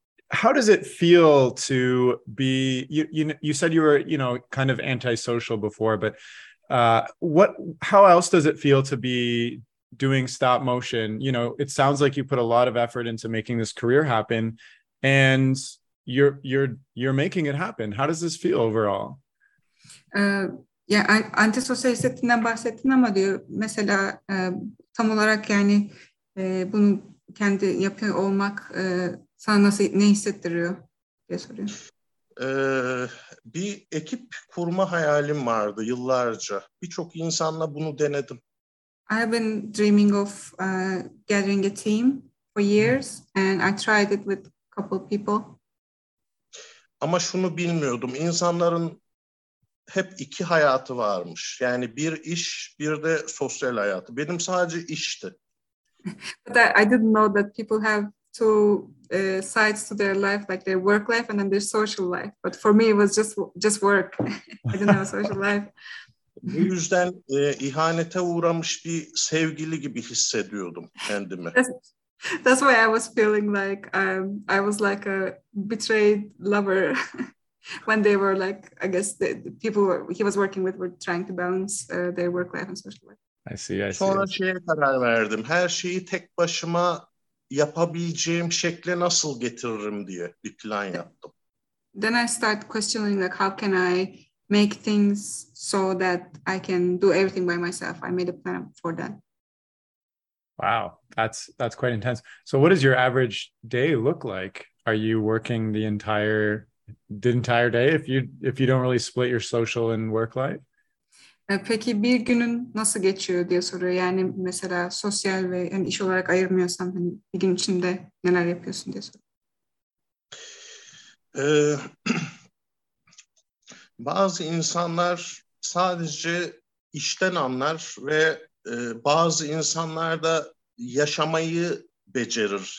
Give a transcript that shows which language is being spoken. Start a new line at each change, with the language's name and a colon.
English: How does it feel to be you said you were, you know, kind of antisocial before, but how else does it feel to be doing stop motion? You know, it sounds like you put a lot of effort into making this career happen, and you're making it happen. How does this feel overall?
Turkish: Antisosyal hissettiğinden bahsettin ama diyor mesela tam olarak yani bunu kendi yapıyor olmak sana nasıl, ne hissettiriyor diye soruyor. Bir ekip kurma hayalim vardı yıllarca. Birçok insanla bunu denedim.
English: I have been dreaming of gathering a team for years and I tried it with a couple people.
Turkish: Ama şunu bilmiyordum. İnsanların hep iki hayatı varmış. Yani bir iş, bir de sosyal hayatı. Benim sadece işti.
English: But I didn't know that people have two sides to their life, like their work life and then their social life. But for me it was just work. I didn't have a social life.
Turkish: Bu yüzden ihanete uğramış bir sevgili gibi hissediyordum kendimi.
English: That's why I was feeling like I was like a betrayed lover when they were like, I guess the people he was working with were trying to balance their work life and social life. I see.
Turkish: Sonra şeye karar verdim. Her şeyi tek başıma yapabileceğim şekle nasıl getiririm diye bir plan yaptım.
English: Then I start questioning like, how can I make things so that I can do everything by myself? I made a plan for that. Wow, that's quite intense. So what does your average day look like? Are you working the entire day if you don't really split your social and work life?
Turkish: Peki bir günün nasıl geçiyor diye soruyor. Yani mesela sosyal ve yani iş olarak ayırmıyorsan hani bir gün içinde neler yapıyorsun diye soruyor. Bazı insanlar sadece işten anlar ve bazı insanlar da yaşamayı becerir.